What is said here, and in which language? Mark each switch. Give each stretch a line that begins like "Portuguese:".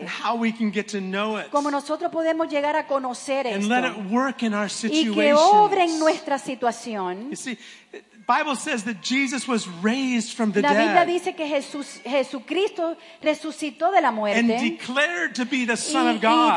English: And how we can get to know it.
Spanish: Como nosotros podemos llegar a conocer
English: and
Spanish: esto.
English: Let it work in our situations.
Spanish: Y que obre en nuestra situación.
English: You see, the Bible says that Jesus was raised from the dead.
Spanish: La Biblia dice que Jesucristo resucitó de la muerte.
English: And declared to be the Son of God.